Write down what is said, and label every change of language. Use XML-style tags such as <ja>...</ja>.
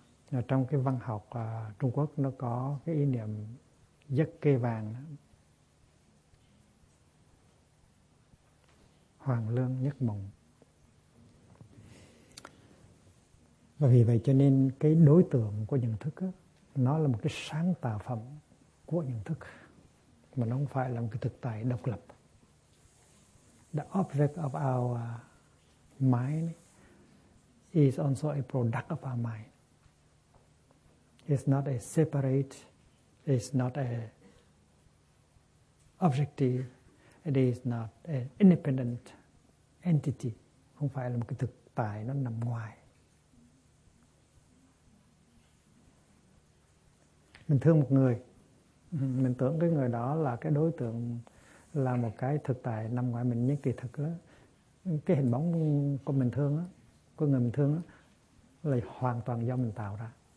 <vi>Và trong cái văn học Trung Quốc nó có cái ý niệm giấc kê vàng, hoàng lương nhất mộng. Và vì vậy cho nên cái đối tượng của nhận thức đó, nó là một cái sáng tạo phẩm của nhận thức, mà nó không phải là một cái thực tại độc lập.</vi> <en>The object of our mind is also a product of our mind. It's not a separate, it's not a objective, it is not an independent entity.</en> <vi>Không phải là một cái thực tại nó nằm ngoài. Mình thương một người, mình tưởng cái người đó là cái đối tượng, là một cái thực tại nằm ngoài mình. Nhưng kỳ thực đó, cái hình bóng của mình thương đó, của người mình thương đó, là hoàn toàn do mình tạo ra.</vi>